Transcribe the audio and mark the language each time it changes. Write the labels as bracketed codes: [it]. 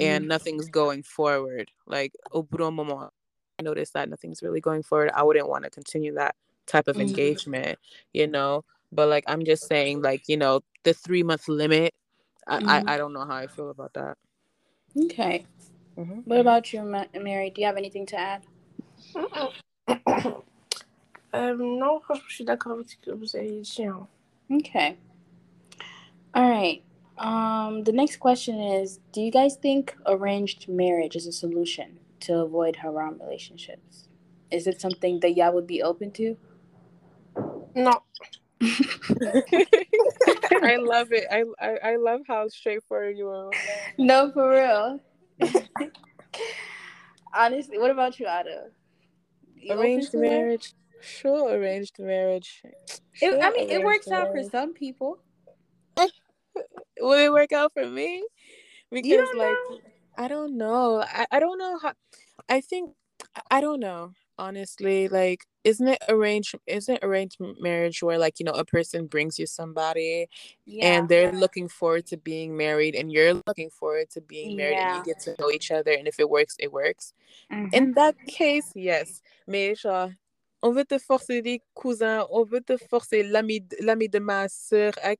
[en] And nothing's going forward. Like, I noticed that nothing's really going forward. I wouldn't want to continue that type of engagement, you know? But, like, I'm just saying, like, you know, the 3-month limit, I don't know how I feel about that. Okay. Mm-hmm. What about you, Mary? Do you have anything to add? [fr] No, je suis d'accord avec ce que vous avez dit. [en] Okay. All right. The next question is, do you guys think arranged marriage is a solution to avoid haram relationships? Is it something that y'all would be open to? No. I love it. I love how straightforward you are. No, for real. Honestly, what about you, Ada? Arranged marriage? Sure, arranged marriage. Sure, I mean, it works out for some people. Will it work out for me? Because, like, I don't know, honestly. Like, isn't arranged marriage where, like, you know, a person brings you somebody and they're looking forward to being married and you're looking forward to being married and you get to know each other, and if it works, it works. In that case, yes. [fr] Mais on veut te forcer des cousins, on veut te forcer l'ami de ma soeur.